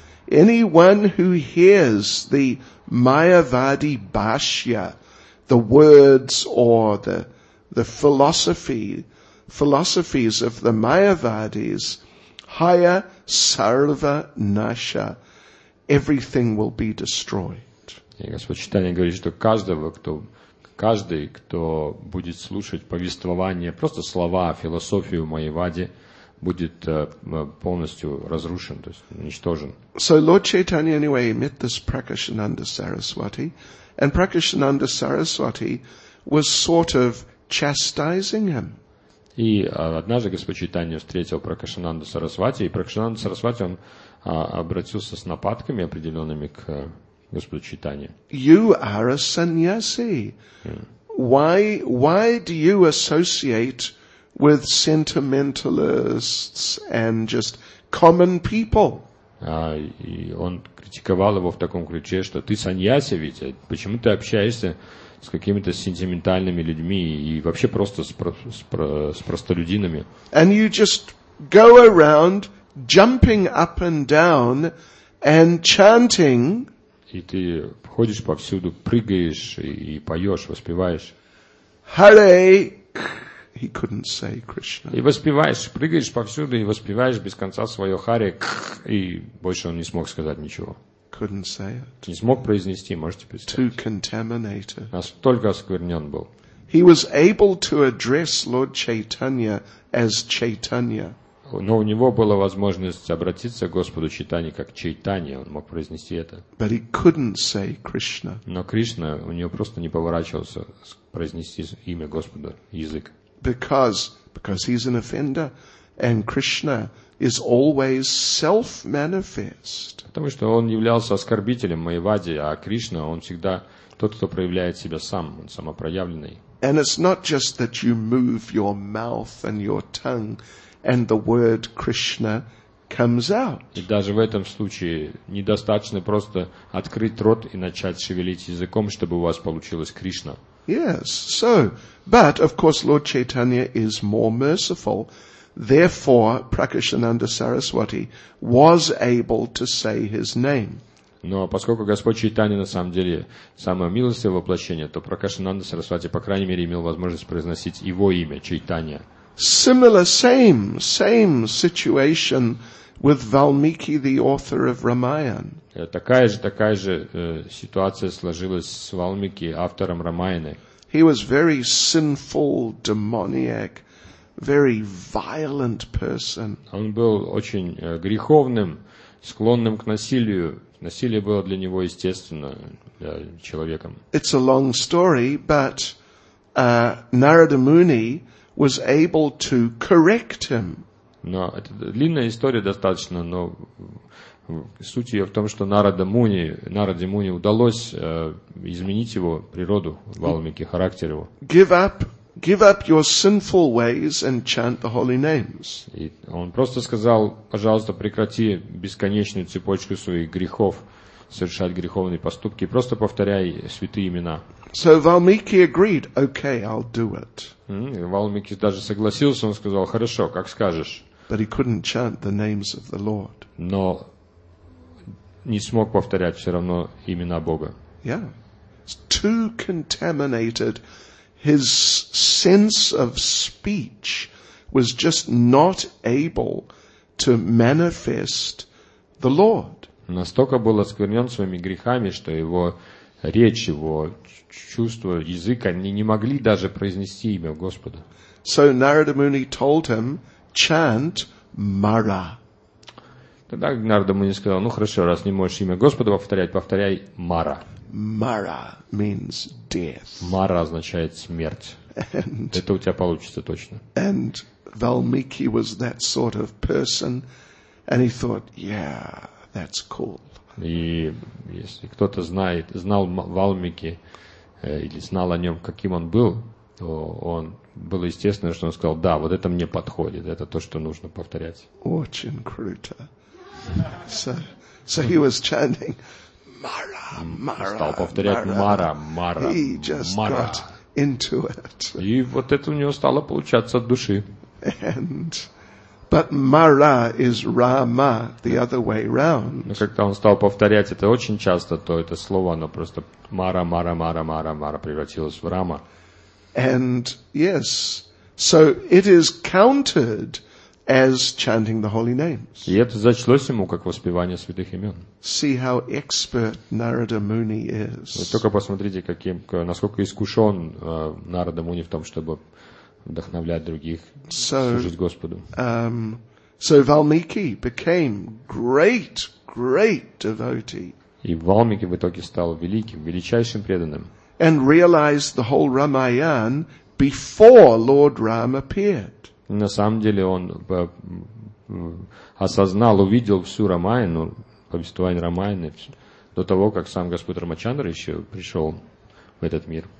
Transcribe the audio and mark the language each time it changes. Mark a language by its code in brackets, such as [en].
[en] Anyone who hears the Mayavadi Bhashya, the words or the philosophies of the Mayavadis, Haya Sarva Nasha, everything will be destroyed. [ru] И Господь Чайтанья говорит, что каждый, кто будет слушать повествование, просто слова, философию Майявади, будет полностью разрушен, то есть уничтожен. [en] So Lord Chaitanya anyway met this Prakashananda Saraswati, and Prakashananda Saraswati was sort of chastising him. [ru] И однажды Господь Чайтанья встретил Пракашананду Сарасвати, и Пракашананда Сарасвати он обратился с нападками определенными к Господу Чайтанье. [en] You are a sannyasi. Why do you associate with sentimentalists and just common people? [ru] И он критиковал его в таком ключе, что ты саньяси, ведь почему ты общаешься с какими-то сентиментальными людьми и вообще просто с простолюдинами? [en] And you just go around jumping up and down and chanting. [ru] И ты ходишь повсюду, прыгаешь и поешь, воспеваешь. [en] Hare. He couldn't say Krishna. [ru] И воспеваешь, прыгаешь повсюду и воспеваешь без конца свое Hare. И больше он не смог сказать ничего. [en] Couldn't say it. [ru] Не смог произнести, можете представить. [en] Too contaminated. [ru] Настолько осквернен был. [en] He was able to address Lord Chaitanya as Chaitanya. [ru] Но у него была возможность обратиться к Господу Чайтанье как Чайтанье, он мог произнести это. [en] But he couldn't say Krishna. [ru] Но Кришна, у него просто не поворачивался произнести имя Господа, язык. [en] Because he's an offender, and Krishna is always self-manifest. [ru] Потому что он являлся оскорбителем Майвади, а Кришна, он всегда тот, кто проявляет себя сам, он самопроявленный. [en] And it's not just that you move your mouth and your tongue, and the word Krishna comes out. [ru] И даже в этом случае недостаточно просто открыть рот и начать шевелить языком, чтобы у вас получилось Кришна. [en] Yes. So, but of course Lord Chaitanya is more merciful. Therefore, Prakashananda Saraswati was able to say his name. [ru] Но поскольку Господь Чайтанья на самом деле самое милостивое воплощение, то Пракашинанда Сарасвати, по крайней мере, имел возможность произносить его имя, Чайтанья. [en] Similar, same situation with Valmiki, the author of Ramayana. [ru] Такая же ситуация сложилась с Валмики, автором Рамаяны. [en] He was very sinful, demoniac, very violent person. [ru] Он был очень греховным, склонным к насилию. Насилие было для него естественно, для человека. [en] It's a long story, but Narada Муни was able to correct him. [ru] Но это длинная история достаточно, но суть ее в том, что Нараде Муни удалось изменить его природу, Валмики, характер его. [en] Give up your sinful ways and chant the holy names. [ru] И он просто сказал: пожалуйста, прекрати бесконечную цепочку своих грехов, совершать греховные поступки, просто повторяй святые имена. [en] So Valmiki agreed. Okay, I'll do it. [ru] Валмики даже согласился, он сказал: хорошо, как скажешь. [en] But he couldn't chant the names of the Lord. [ru] Но не смог повторять все равно имена Бога. [en] Yeah, it's too contaminated. His sense of speech was just not able to manifest the Lord. [ru] Настолько был осквернен своими грехами, что его речь, его чувство, язык, они не могли даже произнести имя Господа. [en] So Narada Muni told him, chant Mara. [ru] Тогда Нарада Муни сказал: ну хорошо, раз не можешь имя Господа повторять, повторяй Мара. [en] Mara means death. [ru] Мара означает смерть. Это у тебя получится точно. [en] And Valmiki was that sort of person, and he thought, yeah, that's cool. [ru] И если кто-то знал Валмики или знал о нем, каким он был, то он было естественно, что он сказал: да, вот это мне подходит, это то, что нужно повторять. Очень круто. [en] So he was chanting Mara, Mara. [ru] Стал повторять Мара, Мара, Мара. [en] He just got into it. [ru] И вот это у него стало получаться от души. [en] But Mara is Rama, the other way round. [ru] Но когда он стал повторять это очень часто, то это слово, оно просто Мара, Мара, Мара, Мара, Мара превратилось в Рама. [en] And yes, so it is counted as chanting the holy names. [ru] И это зачлось ему как воспевание святых имен. [en] See how expert Narada Muni is. [ru] Вы только посмотрите, насколько искушен Нарада Муни в том, чтобы вдохновлять других служить Господу. [en] So Valmiki became great, great devotee. [ru] И Валмики в итоге стал великим, величайшим преданным. [en] And realized the whole Ramayana before Lord Rama appeared. [ru] На самом деле он осознал, увидел всю Рамаяну, повествование Рамаяны, до того, как сам Господь Рамачандра еще пришел в этот мир.